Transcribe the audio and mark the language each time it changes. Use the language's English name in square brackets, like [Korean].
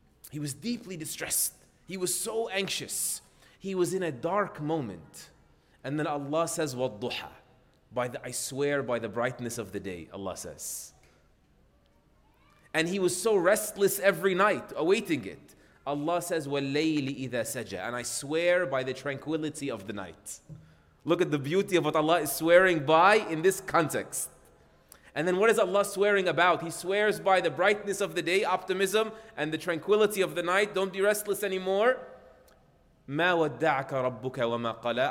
[English] He was deeply distressed. He was so anxious. He was in a dark moment. And then Allah says, Wal-Duha. I swear by the brightness of the day, Allah says. And he was so restless every night awaiting it. Allah says, [Arabic] وَاللَّيْلِ إِذَا سَجَى. [English] And I swear by the tranquility of the night. Look at the beauty of what Allah is swearing by in this context. And then what is Allah swearing about? He swears by the brightness of the day, optimism, and the tranquility of the night. Don't be restless anymore. [Arabic] مَا وَدَّعَكَ رَبُّكَ وَمَا قَلَى.